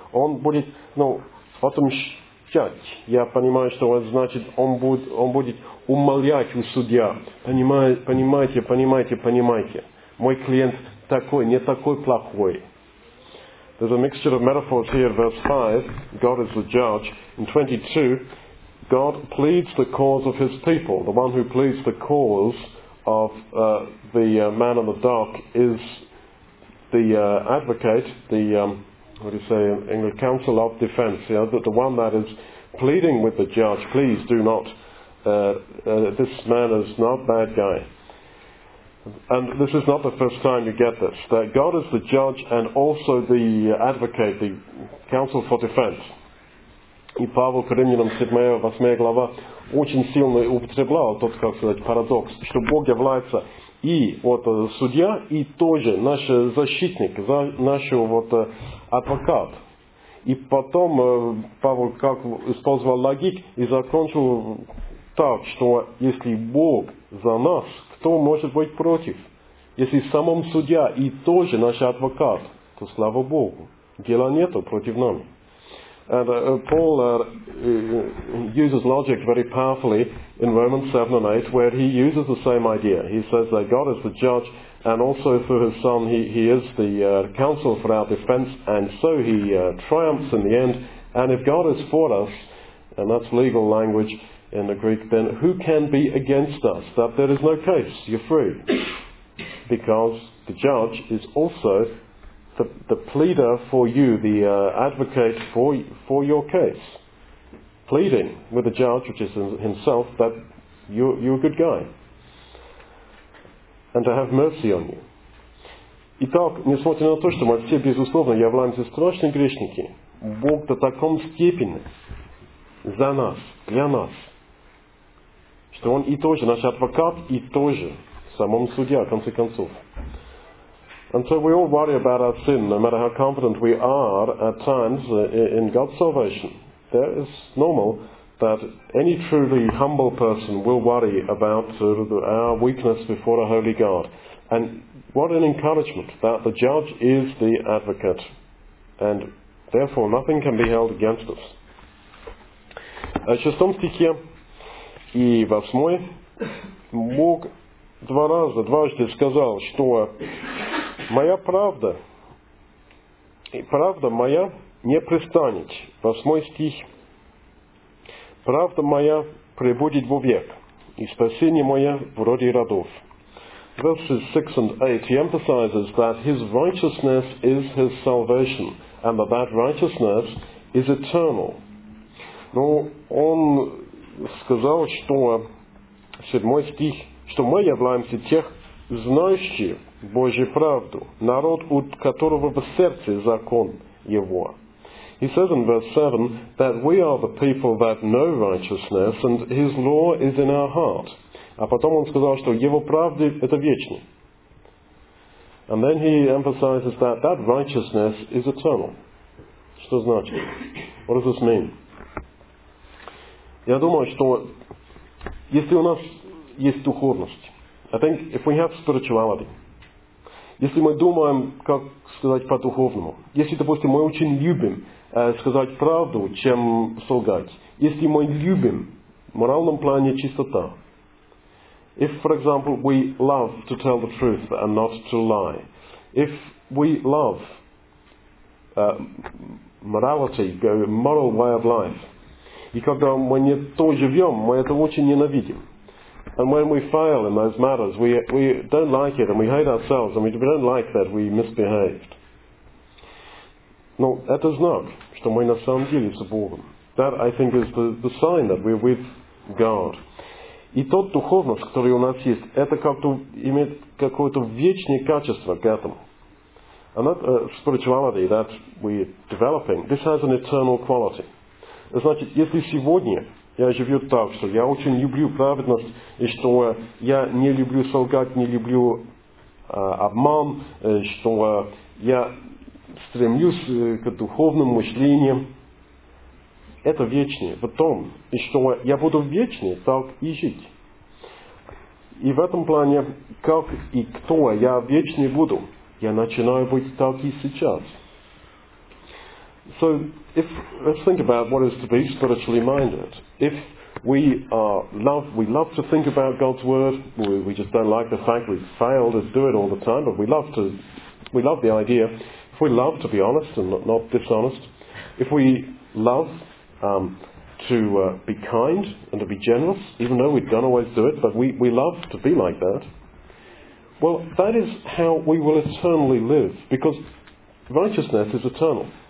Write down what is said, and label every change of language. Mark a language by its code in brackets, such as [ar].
[ru] Он будет, ну, отмщать. Я понимаю, что это значит, он будет умолять у судья. Понимаете. Мой клиент такой, не такой плохой. [en] There's a mixture of metaphors here, verse 5. God is the judge. In 22, God pleads the cause of his people. The one who pleads the cause of the man in the dark is the advocate, the what do you say, English, counsel of defense, you know, the one that is pleading with the judge, please do not, this man is not a bad guy. And this is not the first time you get this, that God is the judge and also the advocate, the counsel for defense. [ru] И Павел Коринфянам 7 глава очень сильно употреблял тот, как сказать, парадокс, что Бог является и вот судья, и тоже наш защитник, наш вот адвокат. И потом Павел как использовал логик и закончил так, что если Бог за нас, кто может быть против? Если сам он судья и тоже наш адвокат, то слава Богу, дела нету против нас. [en] And Paul uses logic very powerfully in Romans 7 and 8, where he uses the same idea. He says that God is the judge, and also through his son he is the counsel for our defense, and so he triumphs in the end. And if God is for us, And that's legal language in the Greek. Then who can be against us? That there is no case. You're free. Because the judge is also the pleader for you, the advocate for your case. Pleading with the judge, which is himself, that you're a good guy. And to have mercy on you. [ru] Итак, несмотря на то, что мы все, безусловно, являемся страшными грешниками, Бог до таком степени за нас, для нас, что Он и тоже наш адвокат, и тоже самом судья, в конце концов. [en] And so we all worry about our sin, no matter how confident we are at times in God's salvation. There is normal that any truly humble person will worry about our weakness before a holy God. And what an encouragement that the judge is the advocate, and therefore nothing can be held against us. [ru] В шестом стихе и восьмой Бог дважды сказал, что моя правда, и правда моя не пристанет. Восьмой стих. Правда моя пребудет вовек, и спасение мое в роде родов. [en] Verses 6 and 8, he emphasizes that his righteousness is his salvation, and that that righteousness is eternal. [ru] Но он сказал, что седьмой стих, что мы являемся тех, знающие Божью правду, народ, у которого в сердце закон его. [en] He says in verse 7 that we are the people that know righteousness, and his law is in our heart. [ru] А потом он сказал, что его правда – это вечная. [en] And then he emphasizes that that righteousness is eternal. [ru] Что значит? [en] What does this mean? [ru] Я думаю, что если у нас есть духовность, [en] I think if we have spirituality, [ru] если мы думаем, как сказать по-духовному, если, допустим, мы очень любим сказать правду, чем солгать, если мы любим в моральном плане чистота, [en] if, for example, we love to tell the truth and not to lie, if we love morality, go moral way of life, [ru] и когда мы не то живем, мы это очень ненавидим. [en] And when we fail in those matters, we don't like it, and we hate ourselves, and we don't like that we misbehaved. [ru] Но это знак, что мы на самом деле с Богом. [en] That, I think, is the sign that we're with God. [ru] И тот духовность, который у нас есть, это как-то имеет какое-то вечное качество к этому. And that spirituality that we're developing, this has an eternal quality. Значит, если сегодня я живу так, что я очень люблю праведность, и что я не люблю солгать, не люблю обман, что я стремлюсь к духовным мышлениям, это вечное. Потом, и что я буду вечный, так и жить. И в этом плане, как и кто я вечный буду, я начинаю быть так и сейчас. [en] So, if let's think about what is to be spiritually minded. If we love to think about God's word, we just don't like the fact we've failed to do it all the time, but we love the idea. If we love to be honest and not dishonest, if we love to be kind and to be generous, even though we don't always do it, but we love to be like that, well, that is how we will eternally live, because righteousness is eternal.